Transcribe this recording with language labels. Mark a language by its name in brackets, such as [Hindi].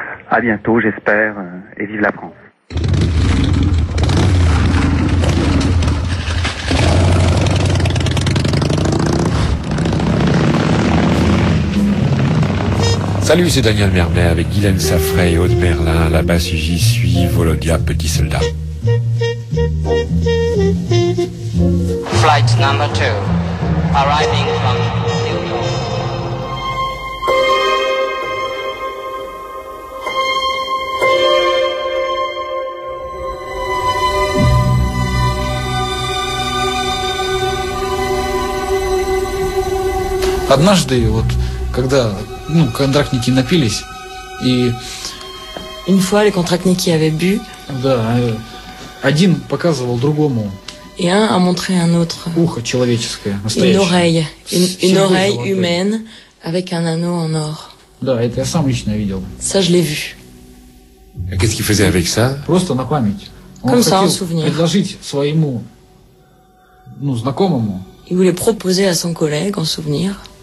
[French] À bientôt, j'espère, et vive la France. Salut, c'est Daniel Mermet avec Guylaine Saffray et Aude Merlin. Là-bas, j'y suis, Volodia, petit soldat. [English] Flight number 2, arriving from New York. [Russian] Однажды, вот, когда... Ну, контрактники напились, и... [French] Une fois, les contractniks avaient bu. [Russian] Да, один показывал другому. [French] Et un a montré un autre. [Russian] Ухо человеческое, настоящее. [French] Une oreille, une oreille humaine avec un anneau en or. [Russian] Да, это я сам лично видел. [French] Ça, je l'ai vu. А qu'est-ce qu'il faisait avec ça? [Russian] Просто на память. [French] Comme ça, en souvenir. [Russian] Предложить своему, ну, знакомому. [French] Il voulait proposer à son collègue en souvenir.